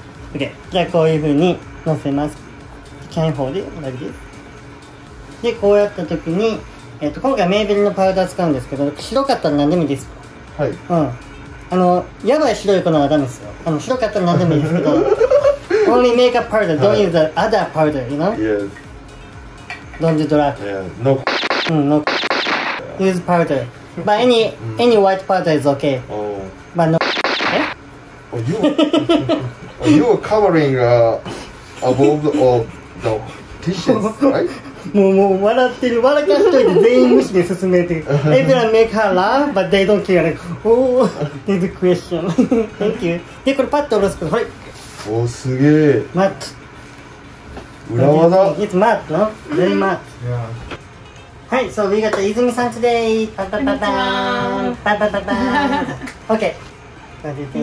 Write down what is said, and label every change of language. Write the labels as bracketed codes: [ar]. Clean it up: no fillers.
[ja] OK, じゃあこういう風に載せます。 [en] Can hold it like this. [ja] で、こうやった時に、今回メイベリのパウダー使うんですけど、白かったら何でもいいです。はい。うん。やばい白い粉はダメですよ。白かったら何でもいいですけど。 [en] Only makeup powder, don't use the other powder, you know? Yes. Don't use drug. Yeah, no. No. Yeah. Use powder. But any white powder is okay. Oh. But no. Oh, you are covering above of the tissues, right? [ja] もう笑ってる、笑かしといて全員無視で進めて。 [en] Everyone make her laugh, but they don't care. Oh, this question. Thank you. [ja] で、これパッと下ろすから、はい。おー、すげえ。マット。 裏技。 [en] It's matte, no? Very matte. はい、So we got Izumi さん today. [ja] パパパパーン。パパパパーン。OK。 何言ってい